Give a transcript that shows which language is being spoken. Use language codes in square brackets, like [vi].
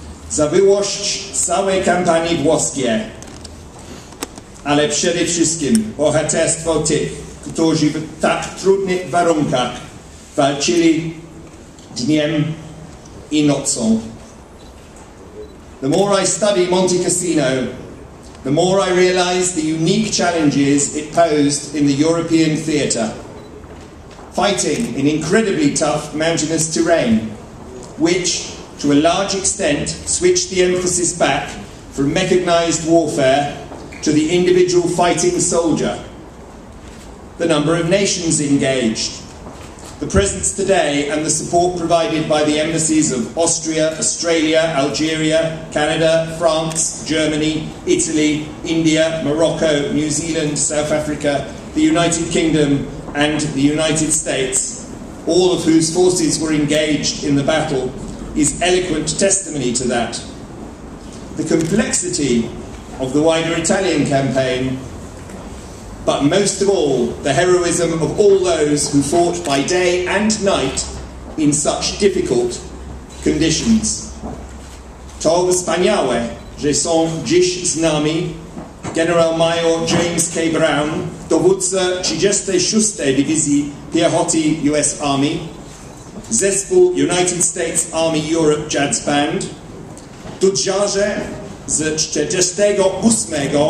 [pl] Za wyłość całej kampanii włoskiej, ale przede wszystkim bohaterstwo tych, którzy w tak trudnych warunkach walczyli dniem i nocą. [en] The more I study Monte Cassino, the more I realize the unique challenges it posed in the European theater. Fighting in incredibly tough mountainous terrain, which to a large extent switched the emphasis back from mechanized warfare to the individual fighting soldier. The number of nations engaged, the presence today and the support provided by the embassies of Austria, Australia, Algeria, Canada, France, Germany, Italy, India, Morocco, New Zealand, South Africa, the United Kingdom and the United States, all of whose forces were engaged in the battle, is eloquent testimony to that. The complexity of the wider Italian campaign, but most of all, the heroism of all those who fought by day and night in such difficult conditions. [pl] To wspaniałe, że są dziś z nami generalmajor James K. Brown, dowódca 36. Dywizji Piechoty US Army, zespół United States Army Europe Jazz Band, dudziarze z 48.